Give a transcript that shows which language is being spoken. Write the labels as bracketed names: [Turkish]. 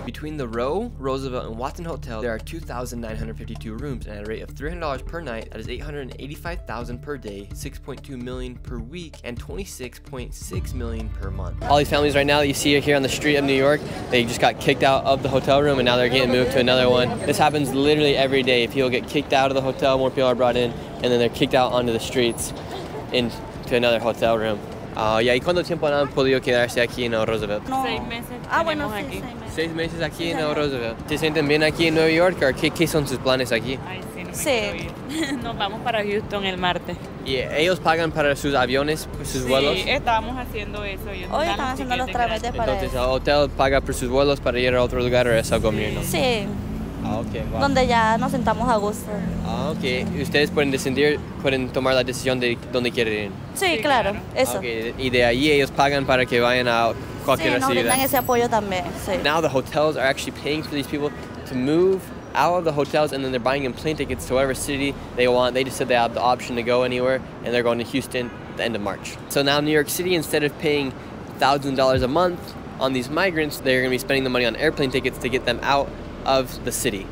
[English] Between the Row, Roosevelt, and Watson Hotel, there are 2,952 rooms, and at a rate of $300 per night, that is $885,000 per day, $6.2 million per week, and $26.6 million per month. All these families right now that you see here on the street of New York, they just got kicked out of the hotel room, and now they're getting moved to another one. This happens literally every day. People get kicked out of the hotel, more people are brought in, and then they're kicked out onto the streets into another hotel room. [Spanish] ¿Y cuánto tiempo han podido quedarse aquí en Roosevelt? No. 6 meses. Ah, bueno, aquí. Sí, 6 meses. 6 meses aquí en Roosevelt. ¿Te sienten bien aquí en Nueva York? ¿Qué son sus planes aquí? Ay, sí, no Sí. Nos vamos para Houston el martes. ¿Y ellos pagan para sus aviones, sus sí, vuelos? Sí, estábamos haciendo eso. Ellos hoy están haciendo los trámites para entonces, eso. ¿El hotel paga por sus vuelos para ir a otro lugar o es algo sí. mío? Sí. Ah, ok, wow. Donde ya nos sentamos a gusto. Ah, ok. ¿Ustedes pueden descender, pueden tomar la decisión de dónde quieren ir? Sí, sí claro, eso. Ok, y de ahí ellos pagan para que vayan a cualquier ciudad. Sí, nos brindan ese apoyo también, sí. [English] Now the hotels are actually paying for these people to move out of the hotels, and then they're buying them plane tickets to whatever city they want. They just said they have the option to go anywhere, and they're going to Houston at the end of March. So now New York City, instead of paying $1,000 a month on these migrants, they're going to be spending the money on airplane tickets to get them out of the city.